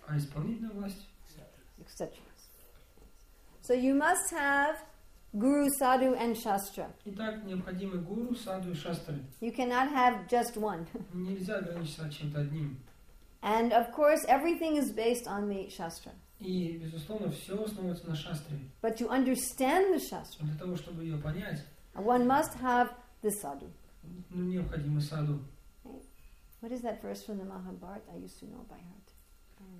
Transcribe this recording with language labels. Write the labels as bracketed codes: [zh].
[ru] А исполнительная власть? [en] Etc. So you must have Guru, Sadhu, and Shastra. [ru] Итак, необходимы гуру, саду и шастры. [en] You cannot have just one. [ru] Нельзя ограничиться чем-то одним. [en] And of course, everything is based on the Shastra. [ru] И, безусловно, все основывается на шастре. [en] But to understand the Shastra, [ru] для того, чтобы ее понять, [en] one must have the Sadhu. [ru] Ну, необходимы саду. [en] What is that verse from the Mahabharata? I used to know by heart.